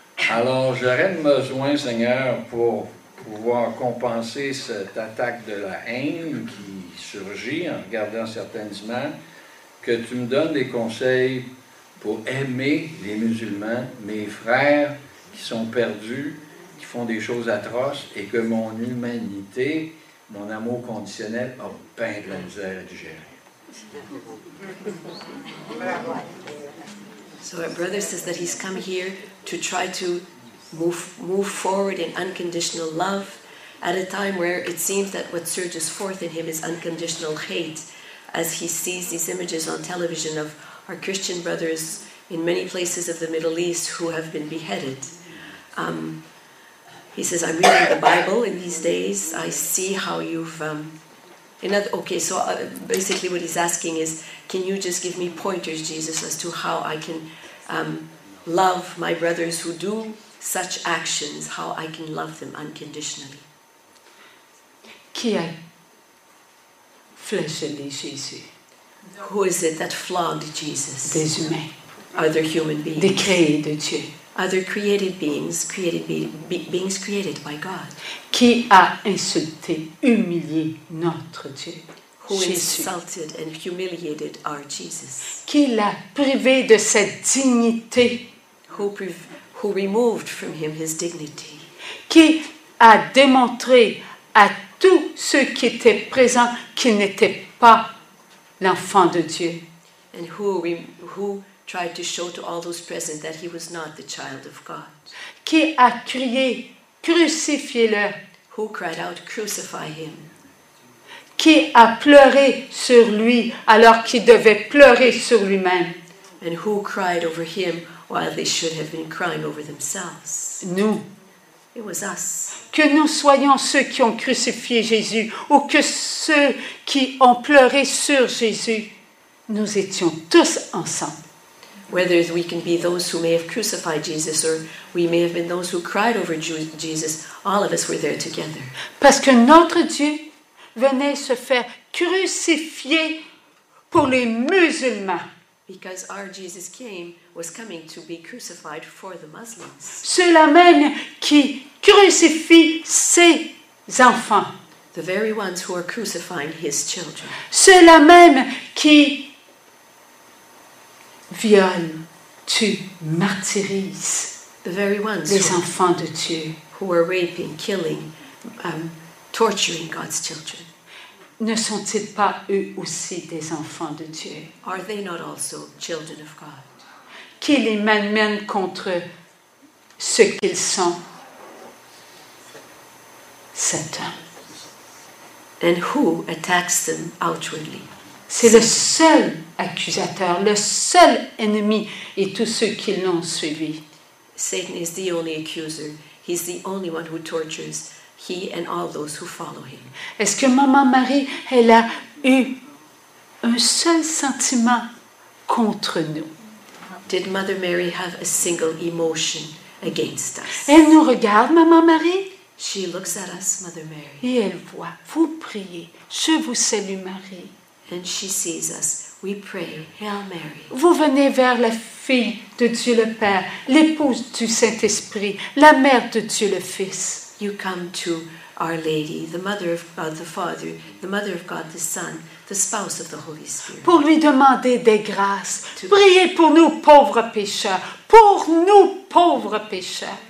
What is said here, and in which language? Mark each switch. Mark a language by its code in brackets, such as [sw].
[fr] Alors, j'aurais besoin, Seigneur, pour pouvoir compenser cette attaque de la haine qui surgit en regardant certaines images, que tu me donnes des conseils pour aimer les musulmans, mes frères qui sont perdus, qui font des choses atroces, et que mon humanité, mon amour conditionnel, a peint de la misère à digérer. [en] So our brother says that he's come here to try to move forward in unconditional love at a time where it seems that what surges forth in him is unconditional hate, as he sees these images on television of our Christian brothers in many places of the Middle East who have been beheaded. He says, I'm reading the Bible in these days. I see how you've... basically what he's asking is, can you just give me pointers, Jesus, as to how I can love my brothers who do such actions, how I can love them unconditionally. [fr] Qui a fléchelé Jésus? [en] Who is it that flogged Jesus? [fr] Des humains. [en] Other human beings. [fr] Des créés de Dieu. [en] Other created beings, beings created by God. [fr] Qui a insulté, humilié notre Dieu? [en] Who insulted and humiliated our Jesus? [fr] Qui l'a privé de cette dignité? [en] Who removed from him his dignity? [fr] Qui a démontré à tous ceux qui étaient présents qu'il n'était pas l'enfant de Dieu? [en] And who tried to show to all those present that he was not the child of God? [fr] Qui a crié, crucifiez-le? [en] Who cried out, crucify him? [fr] Qui a pleuré sur lui alors qu'il devait pleurer sur lui-même? [en] And who cried over him while they should have been crying over themselves? [fr] Nous. [en] It was us. [fr] Que nous soyons ceux qui ont crucifié Jésus ou que ceux qui ont pleuré sur Jésus, nous étions tous ensemble. [en] Whether we can be those who may have crucified Jesus or we may have been those who cried over Jesus, all of us were there together. [fr] Parce que notre Dieu venait se faire crucifier pour les musulmans. [en] Because our Jesus came, was coming to be crucified for the Muslims. [fr] Ceux-là même qui crucifient ses enfants. [en] The very ones who are crucifying his children. [fr] Ceux-là même qui violent, tuent, martyrisent. [en] The very ones [fr] les enfants de Dieu. [en] Who are raping, killing, torturing God's children. [fr] Ne sont-ils pas eux aussi des enfants de Dieu? [en] Are they not also children of God? [fr] Qui les malmène contre ce qu'ils sont? Satan. [en] And who attacks them outwardly? [fr] C'est le seul accusateur, le seul ennemi et tous ceux qui l'ont suivi. [en] Satan is the only accuser. He's the only one who tortures. He and all those who follow him. [fr] Est-ce que Maman Marie, elle a eu un seul sentiment contre nous? [en] Did Mother Mary have a single emotion against us? [fr] Elle nous regarde, Maman Marie. [en] She looks at us, Mother Mary. [fr] Et elle voit, vous priez, je vous salue Marie. [en] And she sees us, we pray, Hail Mary. [fr] Vous venez vers la fille de Dieu le Père, l'épouse du Saint-Esprit, la mère de Dieu le Fils. [en] You come to Our Lady, the Mother of God the Father, the Mother of God the Son, the Spouse of the Holy Spirit. [fr] Pour lui demander des grâces. Priez pour nous pauvres pécheurs. Pour nous pauvres pécheurs.